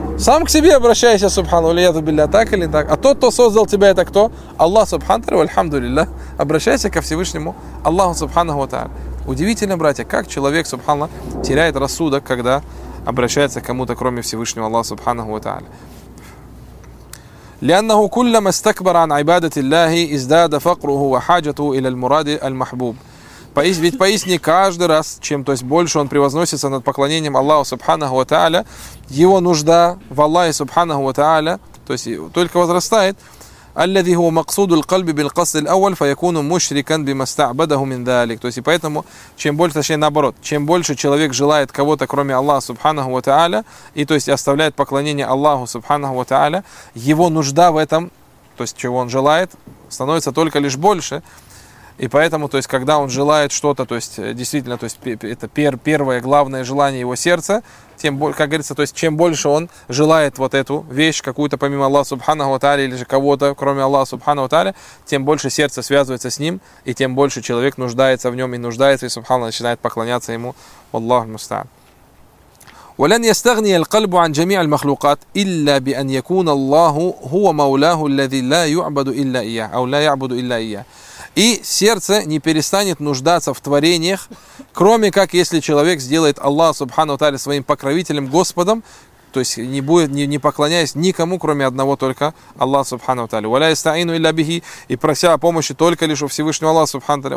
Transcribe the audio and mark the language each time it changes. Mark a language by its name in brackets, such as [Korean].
[Russian] Сам к себе обращайся, субхану алейху билля, так или так? А тот, кто создал тебя, это кто? Аллах субхану альхамду лилля. Обращайся ко Всевышнему Аллаху субхану тааля. Удивительно, братья, как человек, субхану, теряет рассудок, когда обращается к кому-то, кроме Всевышнего Аллаха субхану тааля. [Arabic] لأنه كلما استكبر عن عبادة الله ازداد فقره وحاجته إلى المراد المحبوب. [Russian] Ведь поистине каждый раз, чем то есть больше он превозносится над поклонением Аллаху Субханаху Ва-Та'аля, его нужда в Аллахе Субханаху Ва-Та'аля, то есть только возрастает. [Arabic] الذي هو مقصود القلب بالقصد الأول فيكون مشركا بما استعبده من ذلك. [Russian] То есть и поэтому, чем больше, точнее наоборот, чем больше человек желает кого-то кроме Аллаха Субханаху Ва-Та'аля, и то есть оставляет поклонение Аллаху Субханаху Ва-Та'аля, его нужда в этом, то есть чего он желает, становится только лишь больше. И поэтому, то есть, когда он желает что-то, то есть, действительно, то есть, это первое главное желание его сердца, тем, как говорится, то есть, чем больше он желает вот эту вещь какую-то помимо Аллаха Субханаху Ва Тааля или же кого-то, кроме Аллаха Субханаху Ва Тааля, тем больше сердце связывается с ним, и тем больше человек нуждается в нем и нуждается, и субханаллах начинает поклоняться ему. [Arabic] Аллаху мустаан. ولن يستغني القلب عن جميع المخلوقات إلا بأن يكون الله هو مولاه الذي لا يعبد إلا إياه أو لا يعبد إلا إياه. [Russian] И сердце не перестанет нуждаться в творениях, кроме как если человек сделает Аллаха Субхану ва Тааля своим покровителем, Господом, то есть не будет не поклоняясь никому, кроме одного только Аллаха Субхану ва Тааля. وَلَا يَسْتَعِينُ إِلَّا بِهِ И прося о помощи только лишь у Всевышнего Аллаха Субхану ва Тааля.